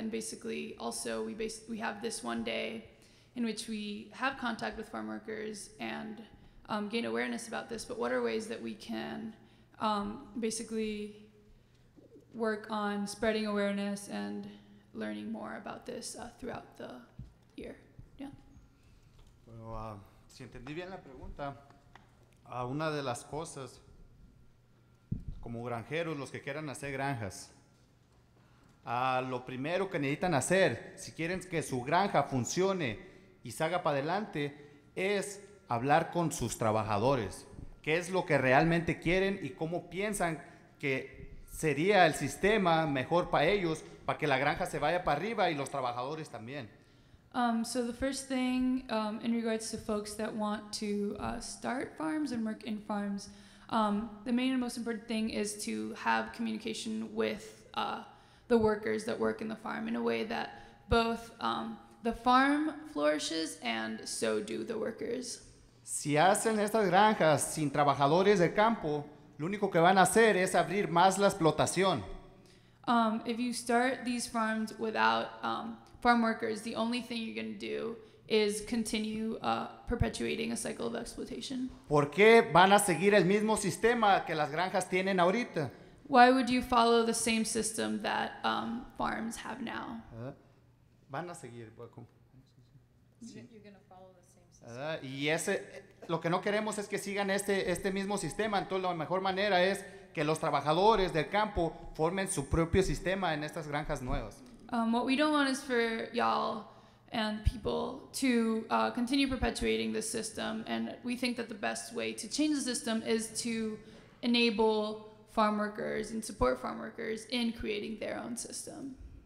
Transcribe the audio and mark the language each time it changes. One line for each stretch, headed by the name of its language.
English: And basically also we have this one day in which we have contact with farm workers and gain awareness about this, but what are ways that we can basically work on spreading awareness and learning more about this throughout the year? Yeah.
Spanish: Bueno, si entendí bien la pregunta, una de las cosas como granjeros, los que quieran hacer granjas, lo primero que necesitan hacer, si quieren que su granja funcione y salga para adelante, es hablar con sus trabajadores. ¿Qué es lo que realmente quieren y cómo piensan que sería el sistema mejor para ellos, para que la granja se vaya para arriba y los trabajadores también?
English: So the first thing in regards to folks that want to start farms and work in farms, the main and most important thing is to have communication with the workers that work in the farm in a way that both the farm flourishes and so do the workers.
Spanish: Si hacen estas granjas sin trabajadores de campo, lo único que van a hacer es abrir más la explotación.
English: If you start these farms without farm workers, the only thing you're going to do is continue perpetuating a cycle of exploitation.
Spanish: ¿Por qué van a seguir el mismo sistema que las granjas tienen ahorita?
English: Why would you follow the same system that farms have now?
Spanish: Van a seguir.
English: You're gonna follow the same system.
Spanish: Y ese, lo que no queremos es que sigan este mismo sistema. Entonces, la mejor manera es que los trabajadores del campo formen su propio sistema en estas granjas nuevas.
English: What we don't want is for y'all and people to continue perpetuating this system. And we think that the best way to change the system is to enable farm workers and support farm workers in creating their own system.